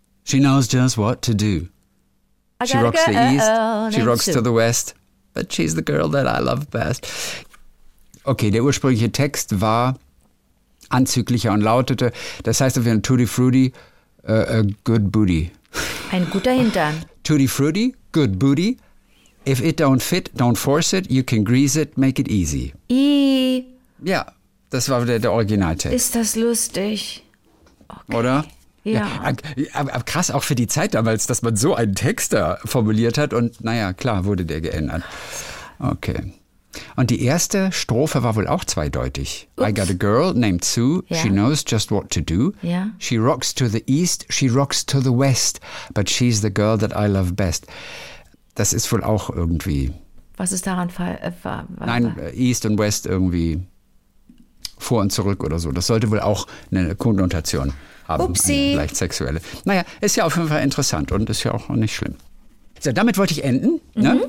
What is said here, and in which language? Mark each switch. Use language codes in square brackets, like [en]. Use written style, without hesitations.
[en] She knows just what to do. She rocks the east, she rocks to the west, but she's the girl that I love best. [de] Okay, der ursprüngliche Text war anzüglicher und lautete, das heißt auf jeden Fall [en] Tutti Frutti, a good booty. [de] Ein guter Hintern. [en] Tutti Frutti, good booty. If it don't fit, don't force it. You can grease it, make it easy. [de] Ja, das war der Originaltext. Ist das lustig. Okay. Oder? Ja. Aber krass, auch für die Zeit damals, dass man so einen Text da formuliert hat. Und naja, klar, wurde der geändert. Okay. Und die erste Strophe war wohl auch zweideutig. [en] Oops. I got a girl named Sue, ja. She knows just what to do. [de] Ja. [en] She rocks to the east, she rocks to the west, but she's the girl that I love best. [de] Das ist wohl auch irgendwie... Was ist daran falsch? East und West irgendwie vor und zurück oder so. Das sollte wohl auch eine Konnotation haben. Upsi. Eine leicht sexuelle. Naja, ist ja auf jeden Fall interessant und ist ja auch nicht schlimm. So, damit wollte ich enden. Ne? Mhm.